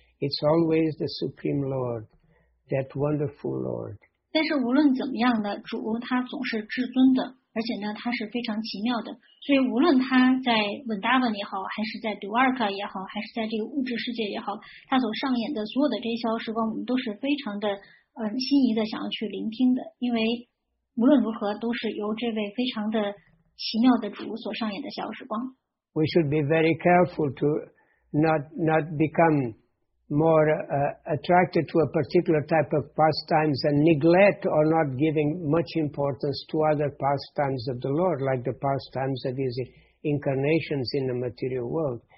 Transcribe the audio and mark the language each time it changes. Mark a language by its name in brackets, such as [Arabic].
[English] It's always the Supreme Lord, that wonderful Lord. [Chinese] 但是无论怎么样的主，他总是至尊的。而且呢，他是非常奇妙的，所以无论他在 Vrindavan 也好，还是在 Dwarka 也好，还是在这个物质世界也好，他所上演的所有的这些逍遥时光，我们都是非常的心仪的想要去聆听的，因为无论如何都是由这位非常的奇妙的主所上演的逍遥时光。 [English] We should be very careful to not become more attracted to a particular type of pastimes and neglect or not giving much importance to other pastimes of the Lord, like the pastimes of His incarnations in the material world.